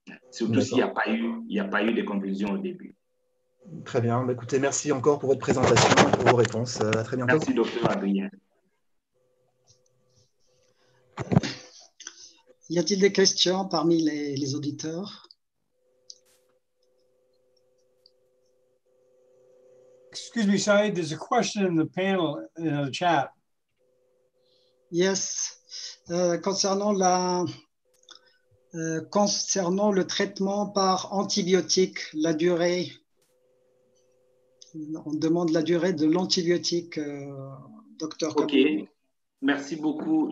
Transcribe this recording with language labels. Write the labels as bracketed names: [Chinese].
[French] Surtout s'il n'y a pas eu de conclusion au début. Très bien. Bah, écoutez, merci encore pour votre présentation et pour vos réponses. À très bientôt. Merci, docteur Adrien. Y a-t-il des questions parmi les auditeurs? [English] Excuse me, Saïd, there's a question in the panel, in the chat. Yes. [French] Concernant le traitement par antibiotique, la durée, on demande la durée de l'antibiotique, docteur. Ok, Camille. Merci beaucoup.